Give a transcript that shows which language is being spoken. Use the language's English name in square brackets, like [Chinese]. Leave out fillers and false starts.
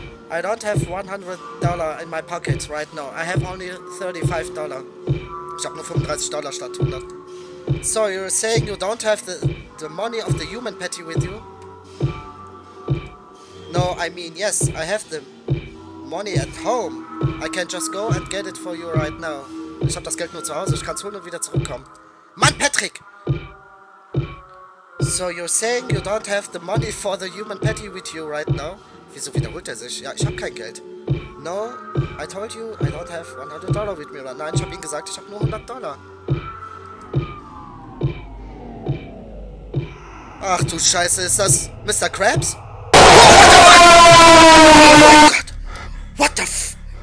[English] I don't have $100 in my pocket right now. I have only $35. [German] Ich habe nur $35 statt 100. [English] So you're saying you don't have the money of the human patty with you? No, I mean, yes, I have the money at home. I can just go and get it for you right now. [German] Ich hab das Geld nur zu Hause, ich kann's holen und wieder zurückkommen. Mann, Patrick! [English] So you're saying you don't have the money for the human patty with you right now? [German] Wieso wiederholt er sich? Ja, ich hab kein Geld. [English] No, I told you I don't have $100 with me. [German] Nein, ich hab ihm gesagt, ich hab nur $100. Ach du Scheiße, ist das Mr. Krabs? [English] What the f...